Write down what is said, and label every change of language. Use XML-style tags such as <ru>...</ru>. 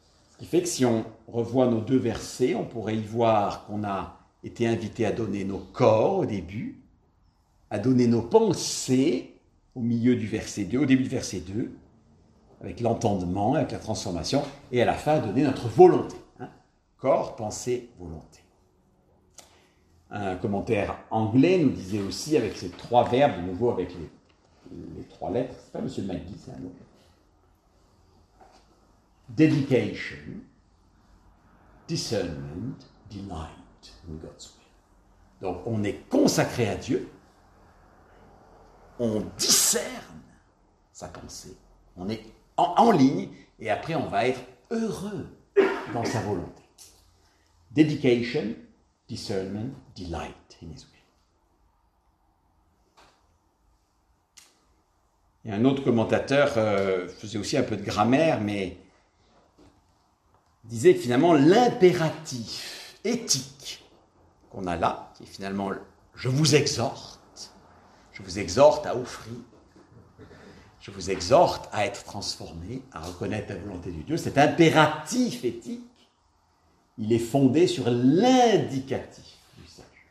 <fr>Ce qui fait que si on revoit nos deux versets, on pourrait y voir qu'on a été invité à donner nos corps au début, à donner nos pensées au milieu du verset 2, au début du verset 2, avec l'entendement, avec la transformation, et à la fin, donner notre volonté. Hein? Corps, pensée, volonté. Un commentaire anglais nous disait aussi, avec ces trois verbes, de nouveau avec les trois lettres, c'est pas Monsieur McGee, c'est un autre.</fr> <en>Dedication, discernment, delight in God's will.</en> <fr>Donc, on est consacré à Dieu, on discerne sa pensée, on est en ligne et après on va être heureux dans sa volonté.</fr> <en>Dedication, discernment, delight in his will.</en> <fr>Et un autre commentateur faisait aussi un peu de grammaire, mais disait que finalement l'impératif éthique qu'on a là, qui est finalement « je vous exhorte », je vous exhorte à offrir, je vous exhorte à être transformé, à reconnaître la volonté de Dieu. Cet impératif éthique, il est fondé sur l'indicatif du sage.</fr>